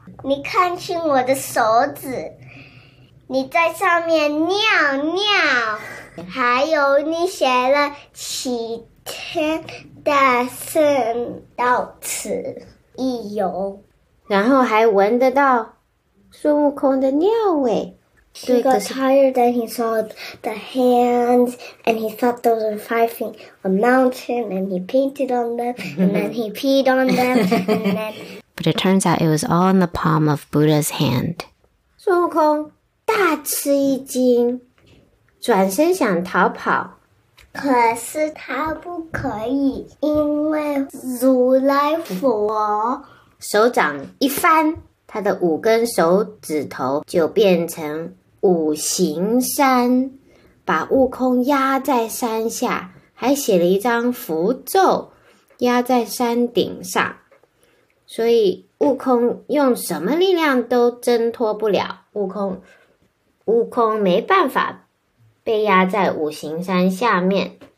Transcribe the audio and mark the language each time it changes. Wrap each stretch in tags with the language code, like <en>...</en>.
<zh>你看清我的手指，你在上面尿尿，还有你写了齐天大圣到此一游，然后还闻得到孙悟空的尿味。</zh> <en>He got tired and he saw the hands and he thought those were five feet, a mountain and he painted on them and then he peed on them. And then... But it turns out it was all in the palm of Buddha's hand.</en> <zh>孙悟空大吃一惊，转身想逃跑。可是他不可以，因为如来佛手掌一翻，他的五根手指头就变成五行山，把悟空压在山下，还写了一张符咒压在山顶上，所以悟空用什么力量都挣脱不了，悟空没办法被压在五行山下面。</zh>